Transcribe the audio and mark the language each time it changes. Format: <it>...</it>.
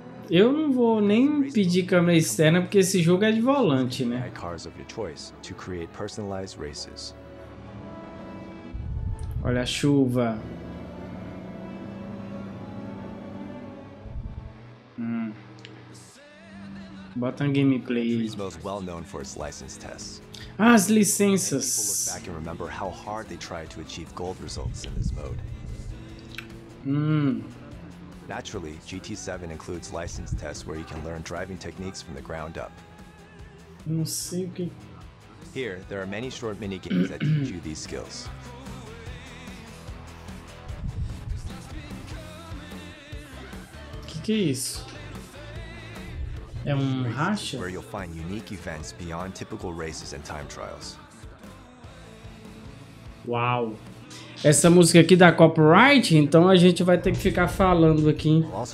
<pt>Eu não vou nem pedir câmera externa porque esse jogo é de volante, né?</pt> <en>Cars of your choice to create personalized races.</en> <pt>Olha a chuva. Bota um gameplay.</pt> <en>Gran Turismo is well known for its license tests.</en> <pt>As</pt> <en>Many people look</en> <pt>licenças.</pt> <en>back and remember how hard they tried to achieve gold results in this mode. Naturally, GT7 includes license tests where you can learn driving techniques from the ground up.</en> <pt>Não sei o que.</pt> <en>Here, there are many short mini games that teach you these skills.</en> <pt>Que é isso? É um racha?</pt> <en>Where you'll find unique events beyond typical races and time trials.</en> <pt>Uau. Essa música aqui dá copyright, então a gente vai ter que ficar falando aqui.</pt>